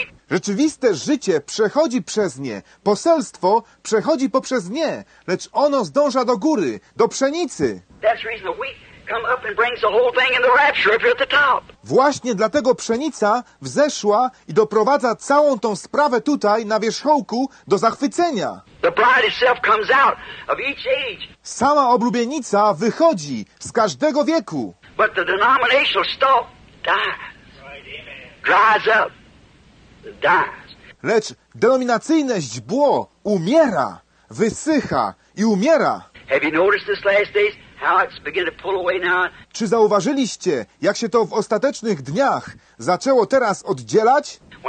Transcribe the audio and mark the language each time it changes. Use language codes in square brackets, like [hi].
[pl] Rzeczywiste życie przechodzi przez nie. Poselstwo przechodzi poprzez nie. Lecz ono zdąża do góry, do pszenicy. [en] That's reason the wheat come up and brings the whole thing in the rapture if you're at the top. [pl] Właśnie dlatego pszenica wzeszła i doprowadza całą tą sprawę tutaj na wierzchołku do zachwycenia. [en] The bride itself comes out of each age. [pl] Sama oblubienica wychodzi z każdego wieku. [en] But the denominational stalk dies. Right, amen. Dries up. Dies. [pl] Lecz denominacyjne źdźbło umiera, wysycha i umiera. [en] Have you noticed this last days? How it's beginning to pull away now. [pl] Czy zauważyliście, jak się to w ostatecznych dniach zaczęło teraz oddzielać?